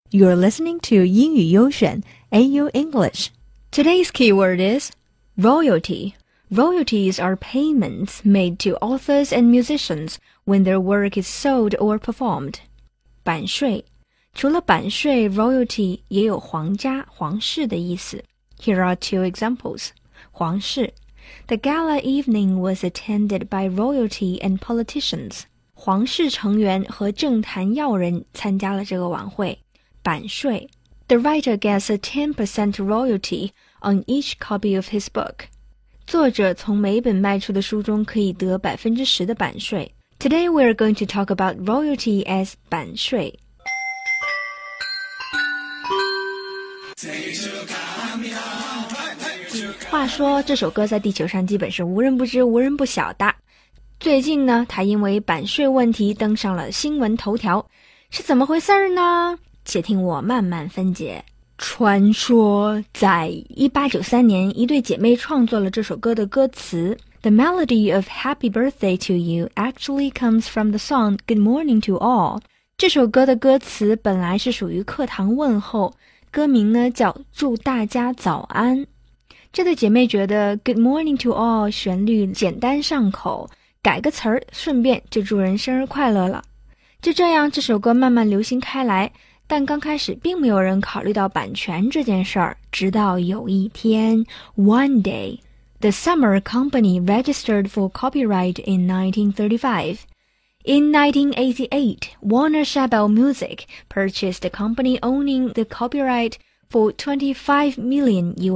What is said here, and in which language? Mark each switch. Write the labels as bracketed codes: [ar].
[en] You're listening to 英语优选 AU English. Today's keyword is royalty. Royalties are payments made to authors and musicians when their work is sold or performed. [zh] 版税，除了版税 ，royalty 也有皇家、皇室的意思。 [en] Here are two examples. 皇室 ，The gala evening was attended by royalty and politicians. [zh] 皇室成员和政坛要人参加了这个晚会。 [en] 版税 The writer gets a 10% royalty on each copy of his book. [zh] 作者从每本卖出的书中可以得 10% 的版税。 [en] Today we are going to talk about royalty as 版税。 [zh] 话说这首歌在地球上基本是无人不知无人不晓的。最近呢它因为版税问题登上了新闻头条。是怎么回事呢？且听我慢慢分解。传说在1893年一对姐妹创作了这首歌的歌词。 [en] The melody of Happy Birthday to You actually comes from the song Good Morning to All. [zh] 这首歌的歌词本来是属于课堂问候，歌名呢叫祝大家早安。这对姐妹觉得 Good Morning to All 旋律简单上口，改个词儿顺便就祝人生日快乐了。就这样这首歌慢慢流行开来，但刚开始并没有人考虑到版权这件事儿，直到有一天 [en] One day The Summer Company registered for copyright in 1935 In 1988 Warner Chappell Music purchased the company owning the copyright for $25 million.